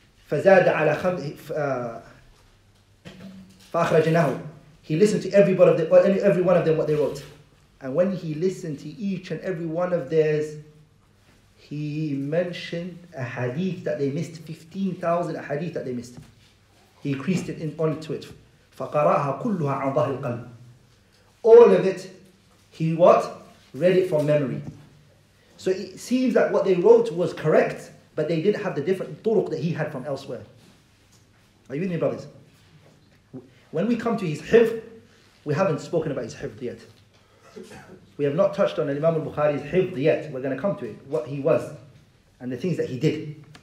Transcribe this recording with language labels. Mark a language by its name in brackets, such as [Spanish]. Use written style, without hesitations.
[Arabic] فَزَادَ عَلَى فأخرجناه. [English] He listened to every one of them what they wrote. And when he listened to each and every one of theirs, he mentioned a hadith that they missed, 15,000 hadith that they missed. He increased it onto it. [Arabic] فقرأها كلها عن ظهر القلب. [English] All of it, he what? Read it from memory. So it seems that what they wrote was correct, but they didn't have the different turuq that he had from elsewhere. Are you with me, brothers? When we come to his hifz, we haven't spoken about his hifz yet. We have not touched on Imam al-Bukhari's hifz yet. We're going to come to it, what he was, and the things that he did.